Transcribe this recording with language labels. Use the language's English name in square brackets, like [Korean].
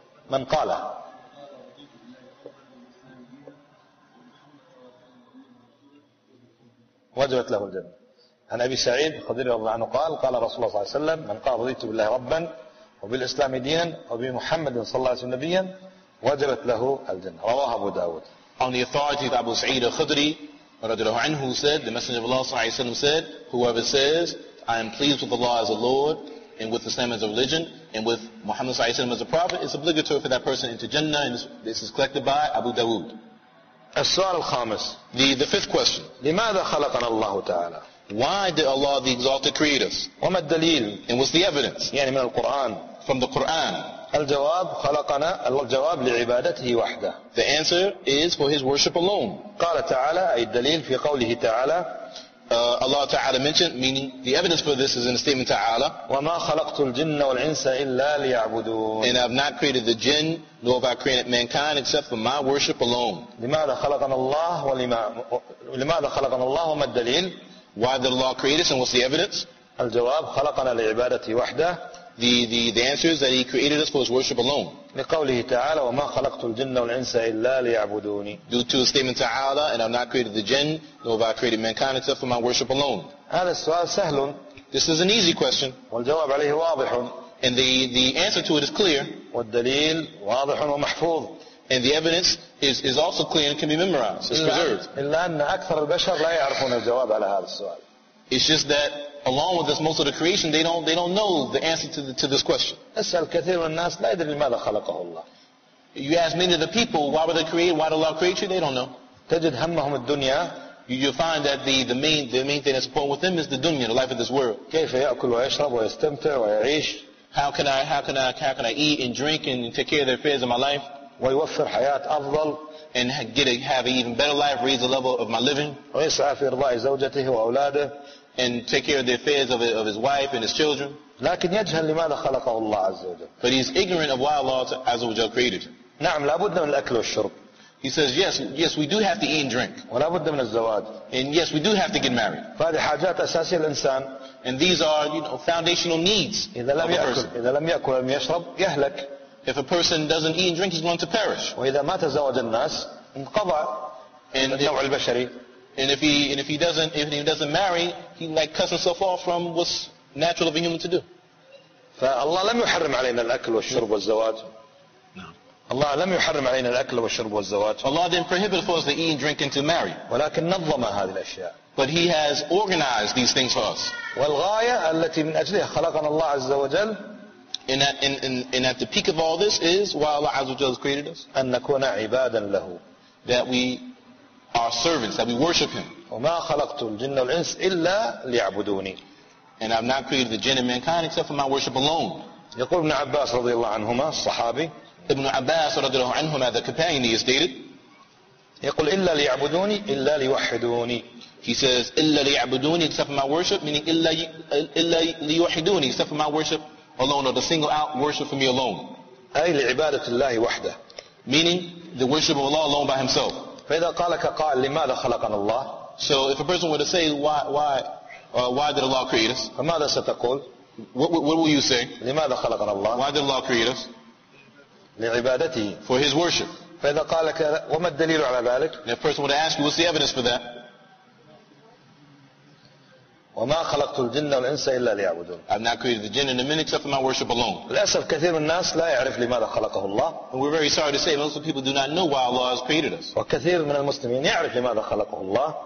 [Arabic] من قال؟ وجبت له الجنة. عن أبي سعيد الخدري رضي الله عنه قال قال رسول الله صلى الله عليه وسلم من قال رضيت بالله ربا وبالإسلام دينا وبمحمد صلى الله عليه وسلم نبيا وجبت له الجنة. رواه أبو داود. [English] On the authority of Abu Sa'id al-Khudri [Arabic] رضي الله عنه [English] said the Messenger of Allah [Arabic] صلى الله عليه وسلم [English] said whoever says I am pleased with Allah as a Lord and with Islam as a religion and with Muhammad صلى الله عليه وسلم as a prophet it's obligatory for that person into Jannah and this is collected by Abu Dawood. [Arabic] السؤال الخامس. [English] The fifth question. [Arabic] لماذا خلقنا الله تعالى؟ [English] Why did Allah the Exalted create us? [Arabic] وما الدليل؟ [English] And what's the evidence? [Arabic] يعني من القرآن. [English] From the Quran. [Arabic] الجواب خلقنا الجواب لعبادته وحده. [English] The answer is for His worship alone. [Arabic] قال تعالى أي الدليل في قوله تعالى. [English] Allah تعالى mentioned, meaning the evidence for this is in the statement تعالى. [Arabic] وما خلقت الجن والإنس إلا ليعبدون. [English] And I've not created the jinn nor have I created mankind except for my worship alone. [Arabic] لماذا خلقنا الله ولماذا خلقنا الله وما الدليل؟ [English] Why did Allah create us and what's the evidence? [Arabic] الجواب خلقنا لعبادته وحده. [English] The answer is that He created us for His worship alone. [Arabic] لقوله تعالى وما خلقت الجن والإنس إلا ليعبدوني. [English] Due to the statement تعالى and I've not created the jinn nor have I created mankind except for my worship alone. [Arabic] هذا السؤال سهل. [English] This is an easy question. [Arabic] والجواب عليه واضح. [English] And the answer to it is clear. [Arabic] والدليل واضح ومحفوظ. [English] And the evidence is also clear and can be memorized. It's preserved. [Arabic] إلا أن أكثر البشر لا يعرفون الجواب على هذا السؤال. [English] It's just that along with this most of the creation, they don't know the answer to this question. [Arabic] أسأل كثير من الناس لا يدري لماذا خلقه الله. [English] You ask many of the people, why were they created? Why did Allah create you? They don't know. [Arabic] تجد همهم الدنيا. [English] You find that the main thing that's important with them is the dunya, the life of this world. [Arabic] كيف يأكل ويشرب ويستمتع ويعيش. [English] How can I eat and drink and take care of the affairs of my life? [Arabic] ويوفر حياة أفضل. [English] And have an even better life, raise the level of my living. [Arabic] ويسعى في إرضاء زوجته وأولاده. [English] And take care of the affairs of his wife and his children. [Arabic] لكن يجهل لماذا خلقه الله عز وجل. [English] But he's ignorant of why Allah [Arabic] عز وجل [English] created him. [Arabic] نعم لابد من الأكل والشرب. [English] He says yes we do have to eat and drink. [Arabic] ولابد من الزواج. [English] And yes we do have to get married. [Arabic] فهذه حاجات أساسية للإنسان. [English] And these are foundational needs [Arabic] إذا لم يأكل ولم يشرب يهلك. [English] If a person doesn't eat and drink, he's going to perish. [Arabic] وإذا ما تزوج الناس انقضى النوع البشري. [English] And if he doesn't marry, he like cuts himself off from what's natural of a human to do. [Arabic] فالله لم يحرم علينا الأكل والشرب والزواج. الله لم يحرم علينا الأكل والشرب والزواج. [English] Allah didn't prohibit for us to eat and drink and to marry. [Arabic] ولكن نظم هذه الأشياء. [English] But He has organized these things for us. [Arabic] والغاية التي من أجلها خلقنا الله عز وجل. [English] And at the peak of all this is why Allah Azza wa Jalla has created us. [Arabic] أن نكون عبادا له. [English] That we our servants, that we worship him. [Arabic] وَمَا خَلَقْتُ الْجِنَّ وَالْإِنْسِ إِلَّا لِيَعْبُدُونِي. [English] And I've not created the jinn and mankind except for my worship alone. [Arabic] يقول ابن عباس رضي الله عنهما الصحابي. [English] Ibn Abbas [Arabic] رضي الله عنهما, [English] the companion, he is stated. [Arabic] يقول إِلَّا لِيَعْبُدُونِي إِلَّا لِيُوَحِّدُونِي. [English] He says, [Arabic] إِلَّا لِيَعْبُدُونِي [English] except for my worship, meaning [Arabic] إِلَّا لِيُوَحِّدُونِي [English] except for my worship alone, or the single out worship for me alone. [Arabic] أي لعبادة الله وحده. [English] Meaning the worship of Allah alone by himself. [Arabic] فإذا قالك قائل لماذا خلقنا الله؟ [English] So if a person were to say why did Allah create us? [Arabic] فماذا ستقول؟ [English] What will you say? [Arabic] لماذا خلقنا الله؟ [English] Why did Allah create us? [Arabic] لعبادته. [English] For his worship. [Arabic] فإذا قالك وما الدليل على ذلك؟ [English] If a person were to ask you, what's the evidence for that? [Arabic] وما خلقت الجن والإنس إلا ليعبدون. [English] I've not created the jinn and the men except for my worship alone. [Arabic] للأسف كثير من الناس لا يعرف لماذا خلقه الله. [English] And we're very sorry to say most of people do not know why Allah has created us. [Arabic] وكثير من المسلمين يعرف لماذا خلقه الله.